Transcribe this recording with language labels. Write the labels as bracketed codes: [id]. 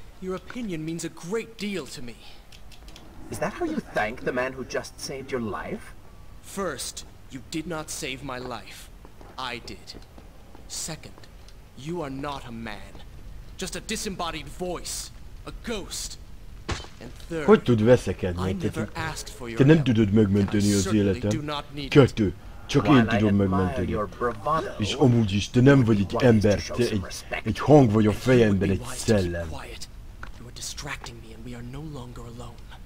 [en] Your opinion means a great deal to me. Is that how you thank the man who just saved your life? First, you did not save my life. I did. Second, you are not a man. Just a disembodied voice. A ghost. And third, [hu] hogy tud veszekedni? Te nem tudod megmenteni az életem. Kettő. Csak én tudom megmenteni. És amúgy is, te nem vagy egy ember. Te egy hang vagy a fejemben, egy szellem. [en] Distracting me, and we are no longer alone.